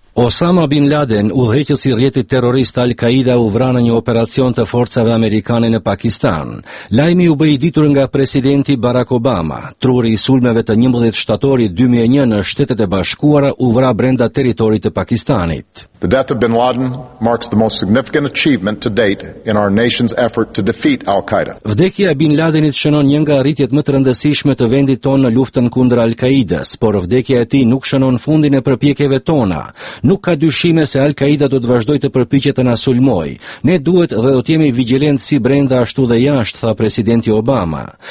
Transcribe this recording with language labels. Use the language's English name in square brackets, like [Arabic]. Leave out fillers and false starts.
[Albanian] Osama Bin Laden, udhëheqës i rrjetit terrorist Al-Qaida, u vra në një operacion të forcave amerikane në Pakistan. Lajmi u bë i ditur nga presidenti Barack Obama. Truri i sulmeve të 11 shtatorit 2001 në Shtetet e Bashkuara u vra brenda territorit të Pakistanit. [English] The death of Bin Laden marks the most significant achievement to date in our nation's effort to defeat Al-Qaida. [Albanian] Vdekja e Bin Ladenit shënon një nga arritjet më të rëndësishme të vendit tonë në luftën kundër Al-Qaidës, por vdekja e tij nuk shënon fundin e përpjekjeve tona. Nuk ka dyshime se Al-Qaida do të vazhdojë të përpiqet të na sulmojë. Ne duhet dhe do të jemi vigjilent si brenda ashtu dhe jashtë, tha presidenti Obama.